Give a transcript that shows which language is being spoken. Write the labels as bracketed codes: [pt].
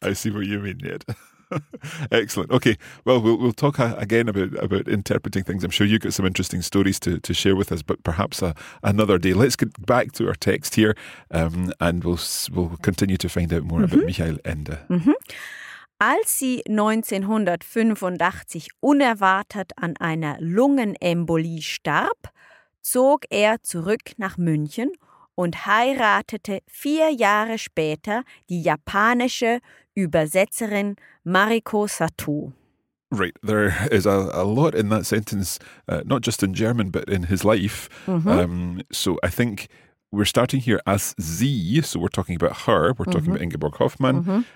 [en] I see what you mean, Ned. Excellent. Okay. Well, we'll talk again about interpreting things. I'm sure you've got some interesting stories to share with us, but perhaps another day. Let's get back to our text here, and we'll continue to find out more about Michael Ende. [de] Als sie 1985 unerwartet an einer Lungenembolie starb, zog zurück nach München und heiratete 4 Jahre später die japanische Übersetzerin Mariko Sato. [en] Right, there is a lot in that sentence, not just in German, but in his life. So I think we're starting here as sie, so we're talking about her, we're talking about Ingeborg Hoffmann.